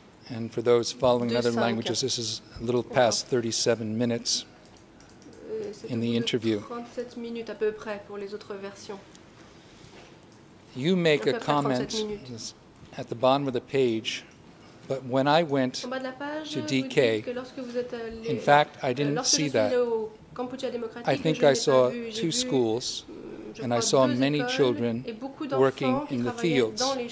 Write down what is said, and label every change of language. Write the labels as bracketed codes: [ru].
[en] And for those following other languages, this is a little past 37 minutes in the interview. [fr] 37 minutes à peu près pour les autres versions. [en] You make a comment at the bottom of the page, but when I went to DK, in fact, I didn't see that. I think I saw two schools, and I saw many children working in the fields.